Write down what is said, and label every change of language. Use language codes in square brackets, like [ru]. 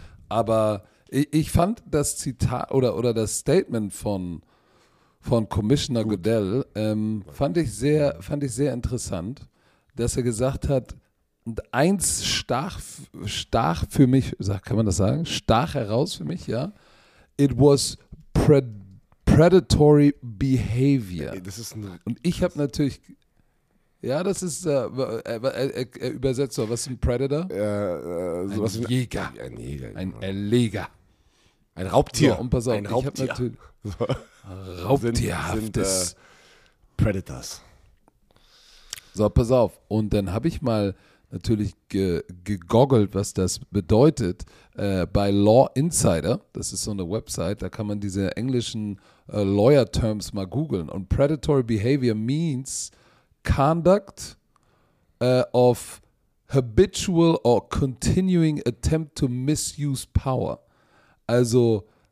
[de] Aber ich fand das Zitat oder das Statement von Commissioner Gut. Goodell fand ich sehr interessant, dass er gesagt hat, eins stach für mich, kann man das sagen? Stach heraus für mich, ja. [en] It was predatory behavior. [de] Ey, das ist ein und ich habe natürlich, ja, das ist übersetzt so, was ist ein Predator? Sowas ein Jäger. Ein Jäger. Ein Erleger. Ein Raubtier. So, und pass auf, ein Raubtier. Natürlich raubtierhaftes Predators. So, pass auf. Und dann habe ich mal natürlich gegoggelt, was das bedeutet, bei Law Insider, das ist so eine Website, da kann man diese englischen Lawyer Terms mal googeln. [en] Und predatory behavior means conduct of habitual or continuing attempt to misuse power. Also